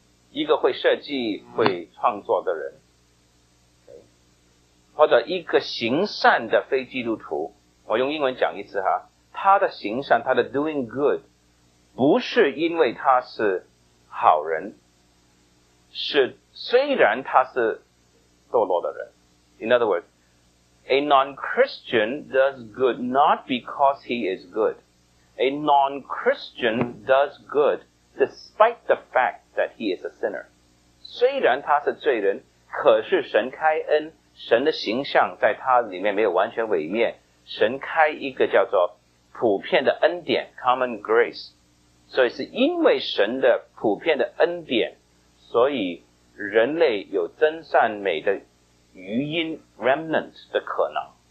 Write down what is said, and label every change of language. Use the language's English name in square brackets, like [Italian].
[Chinese] 一个会设计会创作的人，或者一个行善的非基督徒，我用英文讲一次他的行善，他的 doing good， 不是因为他是好人，是虽然他是堕落的人。 [English] In other words, a non-Christian does good not because he is good. A non-Christian does good despite the fact that he is a sinner. [Chinese] 虽然他是罪人，可是神开恩，神的形象在他里面没有完全毁灭，神开一个叫做普遍的恩典 common grace， 所以是因为神的普遍的恩典，所以人类有真善美的余音 remnant 的可能。